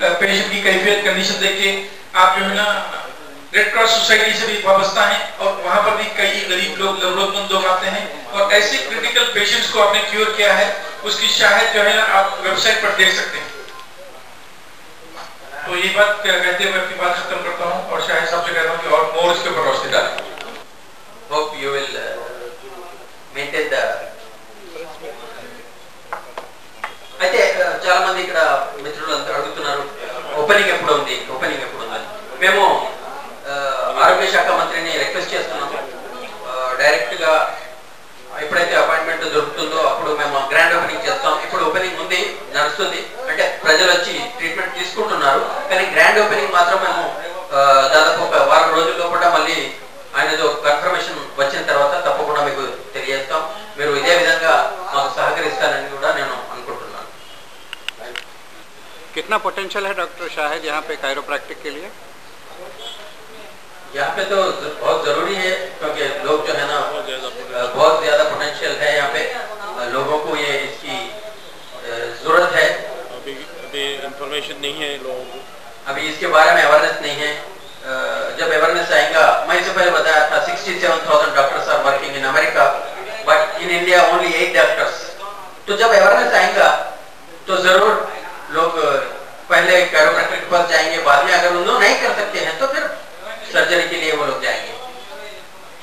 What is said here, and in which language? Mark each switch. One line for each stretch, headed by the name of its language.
Hindi: Patient की कैफियत condition देख के आप जो है ना रेड क्रॉस सोसाइटी से भी वाबस्ता है और वहां पर भी कई गरीब लोग, जरूरतमंद लोग आते हैं और ऐसे क्रिटिकल पेशेंट्स को आपने क्योर किया है, उसकी शायद जो है ना आप वेबसाइट पर देख सकते हैं। तो ये बात कहते हुए आपकी बात खत्म करता हूँ और शायद सबसे कहता हूँ कि और मोर इसके ऊपर रोशनी डालें।
English: hope you will maintain the
Telugu: అయితే చాలా మంది ఇక్కడ మిత్రులు అంతా అడుగుతున్నారు ఓపెనింగ్ ఎప్పుడు ఉంది, ఓపెనింగ్ ఎప్పుడు ఉందని. మేము ఆరోగ్య శాఖ మంత్రిని రిక్వెస్ట్ చేస్తున్నాము, డైరెక్ట్ గా ఎప్పుడైతే అపాయింట్మెంట్ దొరుకుతుందో అప్పుడు మేము గ్రాండ్ ఓపెనింగ్ చేస్తాం. ఇప్పుడు ఓపెనింగ్ ఉంది, నడుస్తుంది, అంటే ప్రజలు వచ్చి ట్రీట్మెంట్ తీసుకుంటున్నారు. కానీ గ్రాండ్ ఓపెనింగ్ మాత్రం మేము దాదాపు ఒక వారం రోజుల్లో కూడా మళ్ళీ ఆయనతో కన్ఫర్మేషన్ వచ్చిన తర్వాత తప్పకుండా మీకు తెలియజేస్తాం. మీరు ఇదే విధంగా మాకు సహకరిస్తారని కూడా నేను అనుకుంటున్నాను.
Hindi: కిట్నా potential high doctor Shahid యహాన్ pay chiropractic కే లియే? यहाँ पे तो बहुत जरूरी है, क्योंकि लोग जो है ना बहुत ज्यादा पोटेंशियल है यहाँ पे, लोगों को ये इसकी जरूरत है। अभी पे इंफॉर्मेशन नहीं है लोगों को, अभी इसके बारे में अवेयरनेस नहीं है। जब अवेयरनेस आएगा, मैं इससे पहले बताया था
English: 67,000 doctors are working in America but in India only 8 doctors,
Hindi: तो जब अवेयरनेस आएगा तो जरूर लोग पहले कैरोप्रैक्टिक पर जाएंगे, बाद में अगर उन्होंने नहीं कर सकते हैं तो फिर सर्जरी के लिए वो लोग जाएंगे।